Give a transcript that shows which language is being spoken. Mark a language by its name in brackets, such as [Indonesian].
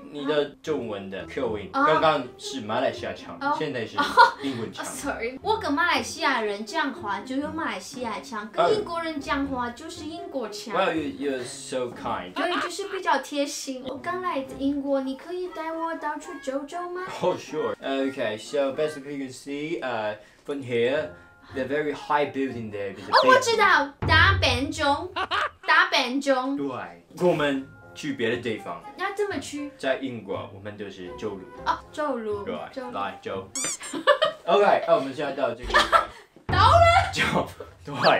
[Chinese] 你的中文的口音刚刚是马来西亚腔，现在是英文腔。 Sorry, 我跟马来西亚人讲话就用马来西亚腔，跟英国人讲话就是英国腔。 [English] Well, you're so kind. [Chinese] 对，就是比较贴心。我刚来英国，你可以带我到处走走吗？ [English] Oh, sure. Okay, so basically you can see, from here. The very high building there. [Chinese] Oh, 我知道，打扁钟，打扁钟。对，我们去别的地方。那怎么去？在英国，我们就是走路。哦，走路。对，来走。 OK, 我们现在到这个地方。到了。走，对。